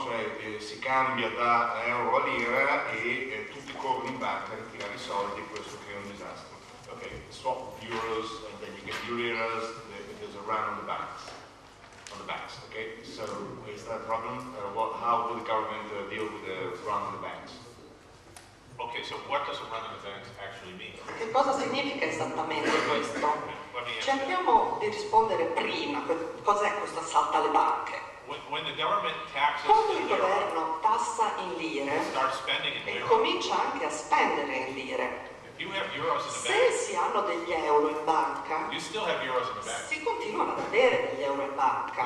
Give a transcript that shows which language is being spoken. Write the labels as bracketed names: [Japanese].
[Italian] Cioè si cambia da euro a lira e tutti corrono in banca a ritirare i soldi, questo crea un disastro. [English] Ok, swap euros and then you get euros, there's a run on the banks. On the banks, okay? So is that a problem? How will the government deal with the run on the banks? Okay, so what does a run on the banks actually mean? [Italian] Che cosa significa esattamente questo? Cerchiamo di rispondere prima, cos'è questo assalto alle banche? Quando il governo tassa in lire e comincia anche a spendere in lire, se si hanno degli euro in banca, si continuano ad avere degli euro in banca.